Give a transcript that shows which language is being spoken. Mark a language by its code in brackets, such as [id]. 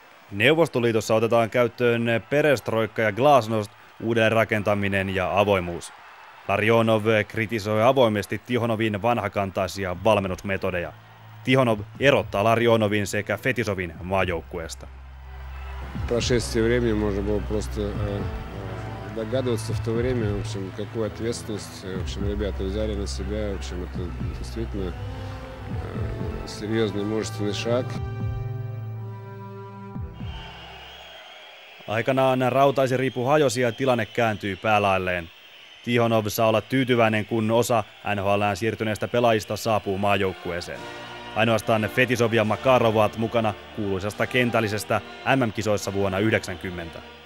[fi] Neuvostoliitossa otetaan käyttöön perestroikka ja glasnost, uuden rakentaminen ja avoimuus. Larionov kritisoi avoimesti Tihonovin vanhakantaisia valmennusmetodeja. Tihonov erottaa Larionovin sekä Fetisovin maajoukkueesta. [ru] Прошествие времени можно было просто догадываться в то время, в общем, какую ответственность, в общем, ребята взяли на себя, в общем, это действительно серьёзный мужественный шаг. [fi] Aikanaan rautaisiriipu hajosi ja tilanne kääntyy päälailleen. Tihonov saa olla tyytyväinen, kun osa NHL:ään siirtyneistä pelaajista saapuu maajoukkueeseen. Ainoastaan Fetisov ja Makarov ovat mukana kuuluisasta kentällisestä MM-kisoissa vuonna 90.